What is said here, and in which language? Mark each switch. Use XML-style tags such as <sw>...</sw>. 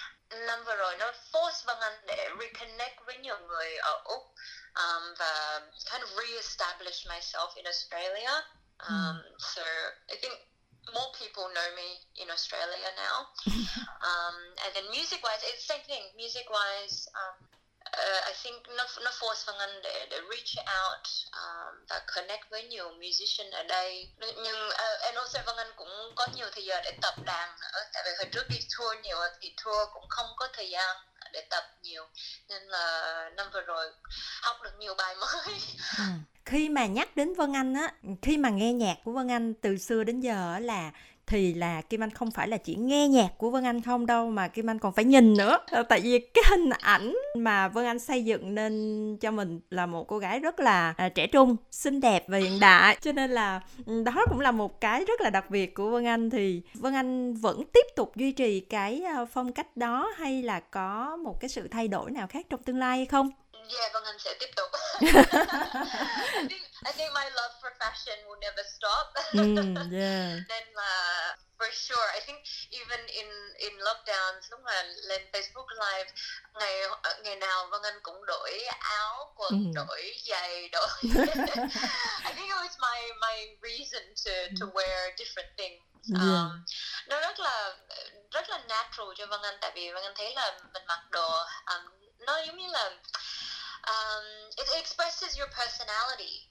<vi>Năm vừa rồi nó force Vân Anh để reconnect với nhiều người ở Úc, và</vi> <en>kind of re-establish myself in Australia. So I think more people know me in Australia now. And then music-wise, it's the same thing. Music-wise, I think</en> <vi>nó force Vân Anh để reach out, và connect với nhiều musician ở đây. Nhưng and also Vân Anh cũng có nhiều thời gian để tập đàn nữa. Tại vì hồi trước đi tour nhiều thì tour cũng không có thời gian để tập nhiều. Nên là năm vừa rồi học được nhiều bài mới. Khi mà nhắc đến Vân Anh á, khi mà nghe nhạc của Vân Anh từ xưa đến giờ là thì là Kim Anh không phải là chỉ nghe nhạc của Vân Anh không đâu, mà Kim Anh còn phải nhìn nữa. Tại vì cái hình ảnh mà Vân Anh xây dựng nên cho mình là một cô gái rất là trẻ trung, xinh đẹp và hiện đại. Cho nên là đó cũng là một cái rất là đặc biệt của Vân Anh. Thì Vân Anh vẫn tiếp tục duy trì cái phong cách đó hay là có một cái sự thay đổi nào khác trong tương lai hay không? Yeah, Vân Anh sẽ tiếp tục.</vi> <en>I think my love for fashion will never stop. Then for sure, I think even in lockdowns,</en> <vi>lúc mà lên Facebook Live, ngày nào Vân Anh cũng đổi áo, quần, đổi giày, đổi.</vi> <en>I think it was my reason to wear different things.</en> <vi>Nó rất là natural cho Vân Anh, tại vì Vân Anh thấy là mình mặc đồ nó giống như là</vi> <en>it expresses your personality.</en>